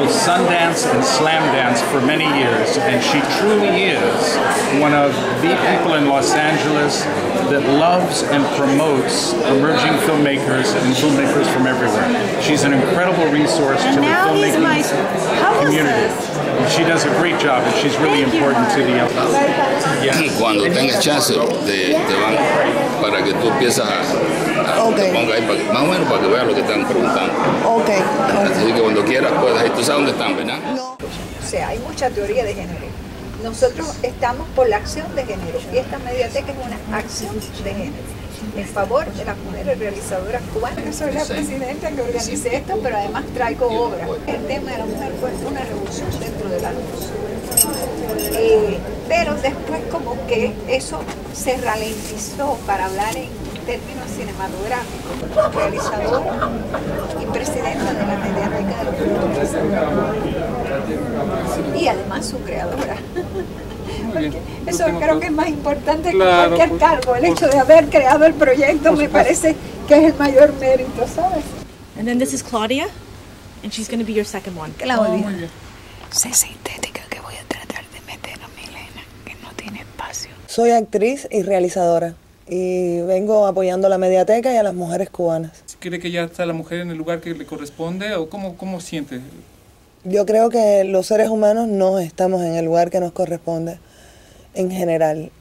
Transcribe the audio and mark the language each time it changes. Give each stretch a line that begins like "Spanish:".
English: called Sundance and Slam Dance for many years, and she truly is one of the people in Los Angeles that loves and promotes emerging filmmakers and filmmakers from everywhere. She's an incredible resource to the filmmaking community. She does a great job, and she's really important to the LA.
Spanish: Cuando tengas chance, te van para que tú empiezas a... Okay. Te pongo ahí para, más o menos para que veas lo que están preguntando. Okay. Okay. Así que cuando quieras puedas ir. ¿Tú sabes dónde están, verdad? No. O sea, hay mucha teoría de género. Nosotros estamos por la acción de género. Y esta mediateca es una acción de género. En favor de las mujeres realizadoras cubanas. Yo soy la presidenta que organice esto, pero además traigo obra. El tema de la mujer fue una revolución dentro de la luz. Pero después como que eso se ralentizó para hablar en términos cinematográficos, realizador y presidenta de la Mediateca de los Futuros. Y además su creadora. Porque eso creo que es más importante, claro, que cualquier cargo. El hecho de haber creado el proyecto me parece que es el mayor mérito, ¿sabes?
English: And then this is Claudia, and she's going to be your second one. Claudia.
Spanish: Sí, sintética, que voy a tratar de meter a Milena, que no tiene espacio. Soy actriz y realizadora. Y vengo apoyando a la Mediateca y a las mujeres cubanas. ¿Cree que ya está la mujer en el lugar que le corresponde? ¿O cómo siente? Yo creo que los seres humanos no estamos en el lugar que nos corresponde en general.